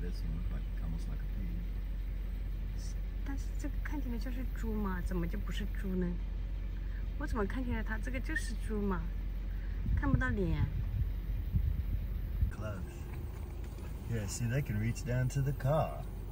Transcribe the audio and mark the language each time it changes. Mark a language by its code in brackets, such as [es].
[en] This one looked like almost like a pig. [zh] 但是这个看起来就是猪嘛，怎么就不是猪呢？我怎么看起来它这个就是猪嘛？看不到脸。 [en] Close. Yeah, see, they can reach down to the car.